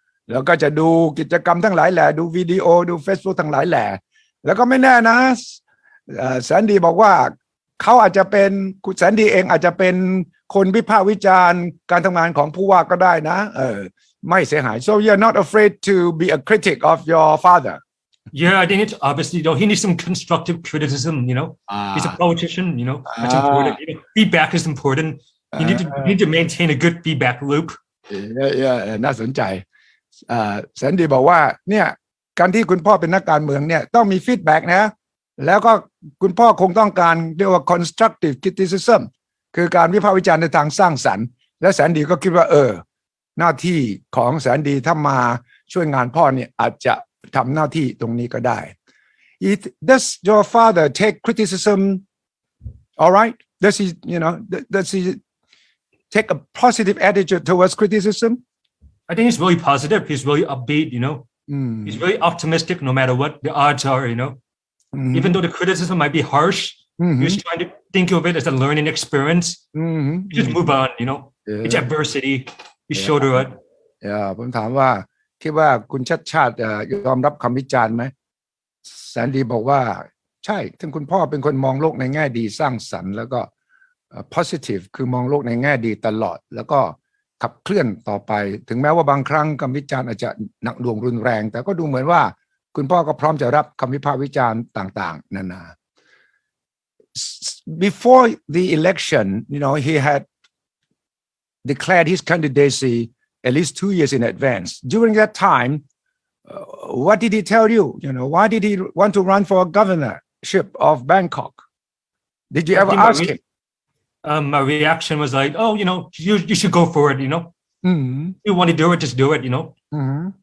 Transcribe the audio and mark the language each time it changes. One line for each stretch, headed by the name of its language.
Thai: แล้วก็จะดูกิจกรรมทั้งหลายแหล่ดูวิดีโอดู Facebook ทั้งหลายแหล่แล้วก็ไม่แน่นะแสนดีบอกว่าเขาอาจจะเป็นคุณแสนดีเองอาจจะเป็นคนวิพากษ์วิจารณ์การทำงานของผู้ว่าก็ได้นะไม่เสียหาย
English: so you're not afraid to be a critic of your father Yeah, I think it's obviously, though, he needs some constructive criticism, you know. He's a politician, you know. That's important. You know, feedback is important. You need to maintain a good feedback loop.
Thai: Yeah, น่าสนใจ Sandy บอกว่าเนี่ยการที่คุณพ่อเป็นนักการเมืองเนี่ยต้องมี feedback นะแล้วก็คุณพ่อคงต้องการเรียกว่า constructive criticism คือการวิพากษ์วิจารณ์ในทางสร้างสรรค์และ Sandy ก็คิดว่าหน้าที่ของ Sandy ถ้ามาช่วยงานพ่อเนี่ยอาจจะทำหน้าที่ตรงนี้ก็ได้
English: Does your father take criticism all right? Does he, you know, does he take a positive attitude towards criticism? I think he's really positive. He's really upbeat, you know. Mm. He's really optimistic no matter what the odds are, you know. Mm-hmm. Even though the criticism might be harsh, mm-hmm. he's trying to think of it as a learning experience. Mm-hmm. Just move on, you know. Yeah. It's adversity. He showed her it.
Thai: Yeah, ผมถามว่าคิดว่าคุณชัดชาติยอมรับคำวิจารณ์ไหมแสนดีบอกว่าใช่ทั้งคุณพ่อเป็นคนมองโลกในแง่ดีสร้างสรรค์แล้วก็ positive คือมองโลกในแง่ดีตลอดแล้วก็ขับเคลื่อนต่อไปถึงแม้ว่าบางครั้งคำวิจารณ์อาจจะหนักหน่วงรุนแรงแต่ก็ดูเหมือนว่าคุณพ่อก็พร้อมจะรับคำวิพากษ์วิจารณ์ต่างๆนานา
English: Before the election you know he had declared his candidacyAt least 2 years in advance. During that time, what did he tell you? You know, why did he want to run for governorship of Bangkok? Did you ever ask him? My reaction was like, oh, you know, you should go for it, you know. Mm-hmm. You want to do it, just do it, you know. Mm-hmm.